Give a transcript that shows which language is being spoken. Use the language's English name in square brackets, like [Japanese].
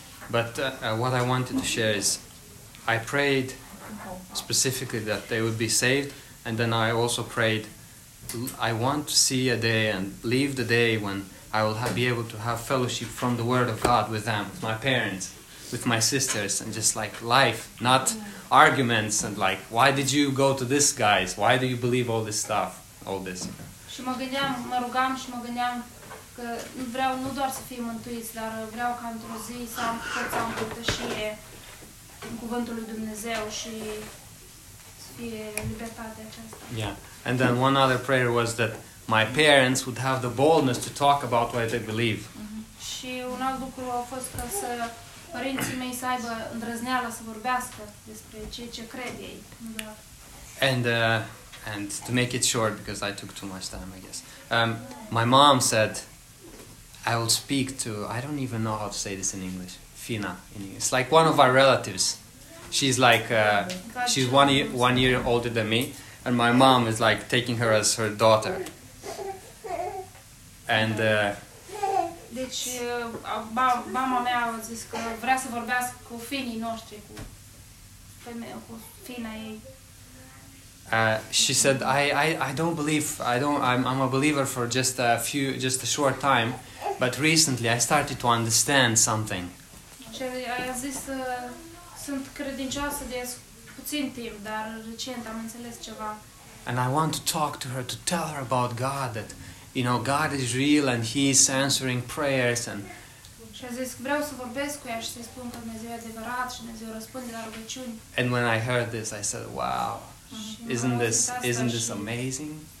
[English] But what I wanted to share is, I prayed specifically that they would be saved, and then I also prayed, I want to see a day and live the day when I will be able to have fellowship from the Word of God with them, with my parents, with my sisters, and just like life, not arguments and like, why did you go to this guys? Why do you believe all this stuff, all this? [Romanian] Și mă gândeam, mă rugam și mă gândeam că vreau nu doar să fiu mântuit, dar vreau ca într-o zi să am forța în părtășie în Cuvântul lui Dumnezeu și să fie libertatea aceasta. [English] Yeah, and then one other prayer was that my parents would have the boldness to talk about what they believe. [Romanian] Și un alt lucru a fost ca să părinții mei să aibă îndrăzneala să vorbească despre ce cred ei. [English] And to make it short, because I took too much time, I guess. My mom said, I will speak to, I don't even know how to say this in English, Fina. It's like one of our relatives. She's like, she's one year older than me, and my mom is like taking her as her daughter. And [Romanian] mama mea a zis că vrea să vorbească cu fiinii noștri, cu fiina ei. [English] She said, I'm a believer for just a short time, but recently I started to understand something. [Romanian] Și a zis, sunt credincioasă de puțin timp, dar recent am înțeles ceva. [English] And I want to talk to her, to tell her about God, that, you know, God is real and He is answering prayers. And when I heard this, I said, wow, isn't this amazing?